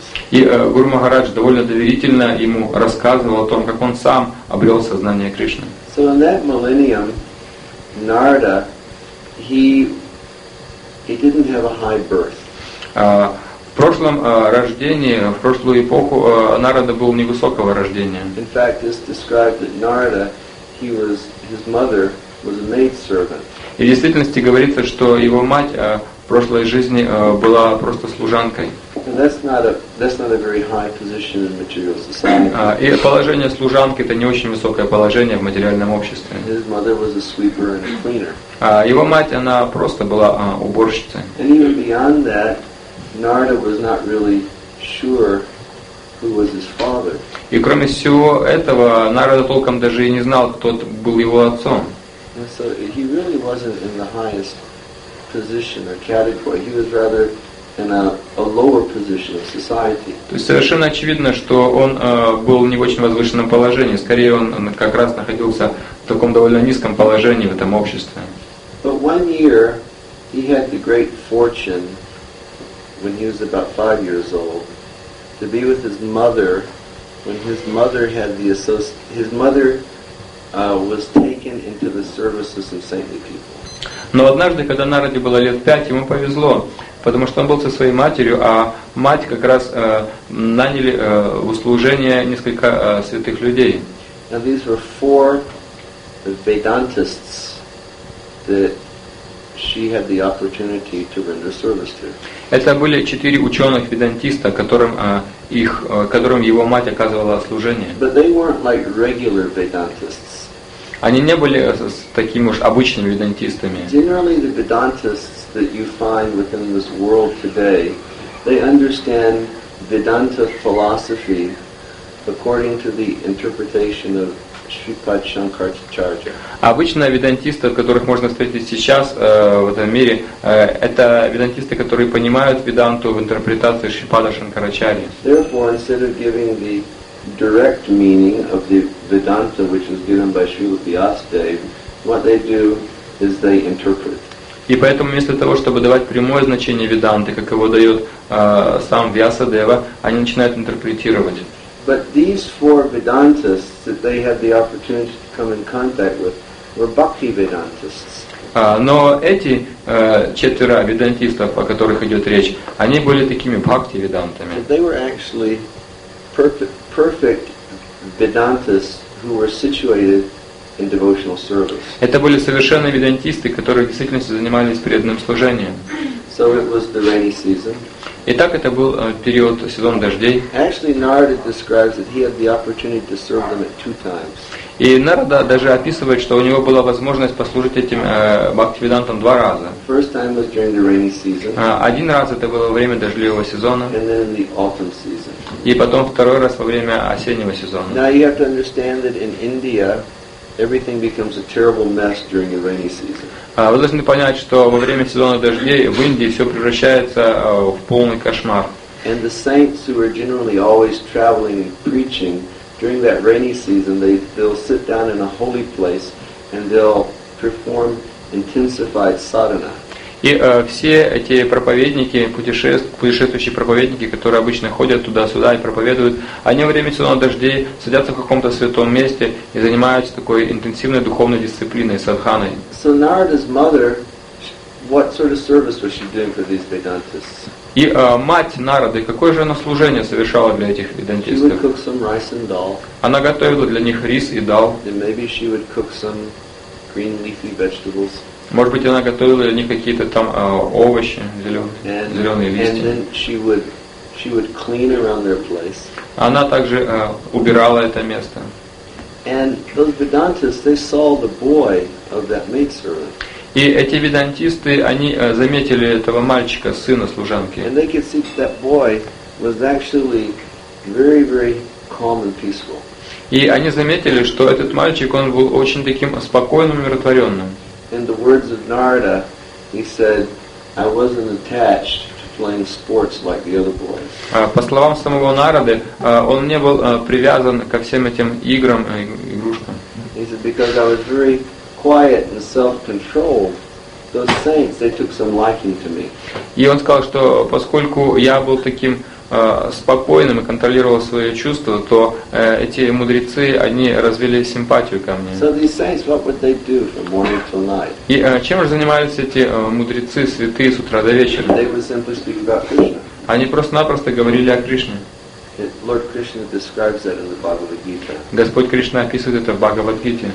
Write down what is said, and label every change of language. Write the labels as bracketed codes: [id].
[ru] И Гуру Махарадж довольно доверительно ему рассказывал о том, как он сам обрел сознание Кришны. [en] So in that millennium, Narada, he didn't have a high birth. [ru] В прошлом рождении, в прошлую эпоху, Нарада был невысокого рождения. [en] In fact, it's described that Narada, his mother was a maidservant. [ru] И в действительности говорится, что его мать в прошлой жизни была просто служанкой. [en] And that's not a very high position in material society. [ru] И положение служанки – это не очень высокое положение в материальном обществе. [en] His mother was a sweeper and a cleaner. [ru] Его мать, она просто была уборщицей. [en] And even beyond that, Narada was not really sure who was his father. [ru] И кроме всего этого, Нарада толком даже и не знал, кто был его отцом. [en] And so he really wasn't in the highest position or category. He was rather in a lower position of society. [ru] То есть совершенно очевидно, что он был не в очень возвышенном положении. Скорее, он как раз находился в таком довольно низком положении в этом обществе. [en] But one year he had the great fortune, when he was about 5 years old, to be with his mother, when his mother had the was taken into the service of some saintly people. [ru] Но однажды, когда Нараде было лет 5, ему повезло, потому что он был со своей матерью, а мать как раз наняли в услужение несколько святых людей. [en] Now these were four Vedantists that she had the opportunity to render service to. [ru] Это были четыре ученых ведантиста, которым его мать оказывала служение. [en] But they weren't like regular Vedantists. [ru] Они не были такими уж обычными ведантистами. [en] Generally, the Vedantists that you find within this world today, they understand Vedanta philosophy according to the interpretation of Шрипад Шанкарачарджа. [ru] Обычно ведантисты, которых можно встретить сейчас в этом мире, это ведантисты, которые понимают веданту в интерпретации Шрипада Шанкарачарьи. [en] Therefore, instead of giving the direct meaning of the Vedanta, which was given by Srila Vyasadeva, what they do is they interpret. [ru] И поэтому вместо того, чтобы давать прямое значение веданты, как его дает сам Вьясадева, они начинают интерпретировать. [en] But these four Vedantists that they had the opportunity to come in contact with were Bhakti Vedantists. [ru] Но эти четверо ведантистов, о которых идет речь, они были такими Бхакти Ведантами. [en] They were actually perfect Vedantists who were situated in devotional service. [ru] Это были совершенно ведантисты, которые в действительности занимались преданным служением. [en] So it was the rainy season. [ru] Итак, это был период, сезон дождей. [en] Actually, Narada describes that he had the opportunity to serve them at two times. [ru] И Нарада даже описывает, что у него была возможность послужить этим бхактивидантам два раза. [en] First time was during the rainy season. [ru] Один раз это было во время дождливого сезона. [en] And then in the autumn season. [ru] И потом второй раз во время осеннего сезона. [en] Now you have to understand that in India, everything becomes a terrible mess during the rainy season. [ru] Вы должны понять, что во время сезона дождей в Индии все превращается в полный кошмар. [en] And the saints who are generally always traveling and preaching during that rainy season, they'll sit down in a holy place and they'll perform intensified sadhana. [ru] И все эти проповедники, путешествующие проповедники, которые обычно ходят туда-сюда и проповедуют, они во время сезона дождей садятся в каком-то святом месте и занимаются такой интенсивной духовной дисциплиной, садханой. [en] So Narada's mother, what sort of service was she doing for these Vedantists? [ru] И мать Нарады, какое же она служение совершала для этих ведантистов? [en] She would cook some rice and dal. [ru] Она готовила для них рис и дал. [en] And maybe she would cook some green leafy vegetables. [ru] Может быть, она готовила для них какие-то там овощи, зеленые листья. [en] And then she would clean around their place. [ru] Она также убирала это место. [en] And those Vedantists, they saw the boy of that maidservant. [ru] И эти ведантисты, они заметили этого мальчика, сына служанки. [en] And they could see that boy was actually very, very calm and peaceful. [ru] И они заметили, что этот мальчик, он был очень таким спокойным, умиротворенным. [en] In the words of Narada, he said, "I wasn't attached to playing sports like the other boys." [ru] По словам самого Нарады, он не был привязан ко всем этим играм и игрушкам. [en] He said, "Because I was very quiet and self-controlled, those saints, they took some liking to me." [ru] И он сказал, что поскольку я был таким спокойным и контролировал свои чувства, то эти мудрецы, они развили симпатию ко мне. [en] So these saints, what would they do from morning till night? [ru] И чем же занимались эти мудрецы, святые, с утра до вечера? [en] They would simply speak about Krishna. [ru] Они просто-напросто говорили о Кришне. [en] Lord Krishna describes that in the Bhagavad Gita. [ru] Господь Кришна описывает это в Бхагавад-гите.